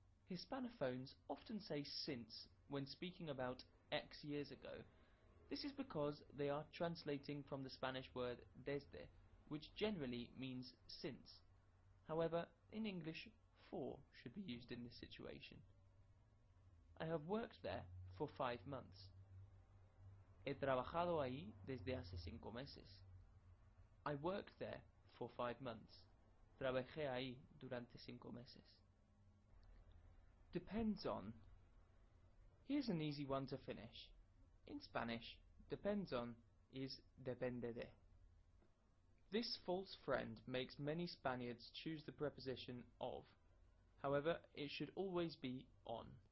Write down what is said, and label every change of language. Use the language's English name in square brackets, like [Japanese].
[English] Hispanophones often say since when speaking about X years ago. This is because they are translating from the Spanish word desde, which generally means since. However, in English, for should be used in this situation. I have worked there for 5 months. [Spanish] He trabajado ahí desde hace 5 meses. [English] I worked there for 5 months. [Spanish] Trabajé ahí durante 5 meses. [English] Depends on. Here's an easy one to finish. In Spanish, depends on is depende de. This false friend makes many Spaniards choose the preposition of. However, it should always be on.